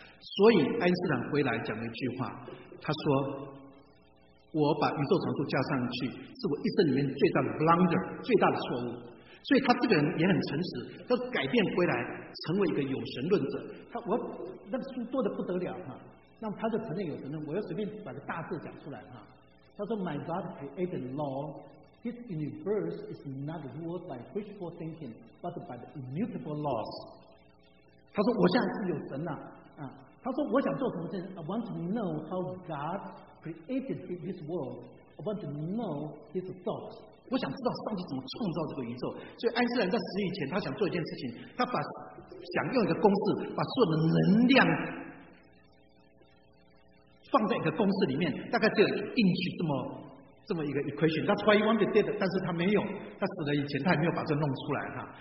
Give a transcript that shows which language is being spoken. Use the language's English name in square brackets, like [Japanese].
[Chinese] 所以爱因斯坦回来讲了一句话，他说：“我把宇宙常数加上去，是我一生里面最大的 blunder， 最大的错误。” 所以他这个人也很诚实，他改变归来成为一个有神论者。他我那个书做得不得了哈，那他就承认有神论，我要随便把个大字讲出来哈。 [English] 他说 My God created law, His universe is not ruled by wishful thinking, but by the immutable laws. [Chinese] 他说我现在是有神了、啊、他说我想做什么事 [English] I want to know how God created this world. I want to know His thoughts. [Chinese] 我想知道上帝怎么创造这个宇宙，所以爱因斯坦在死以前，他想做一件事情，他把想用一个公式，把所有的能量放在一个公式里面，大概只有应许这么一个 equation。 [English] That's why he wanted dead， [Chinese] 但是他没有，他死了以前，他还没有把这弄出来哈。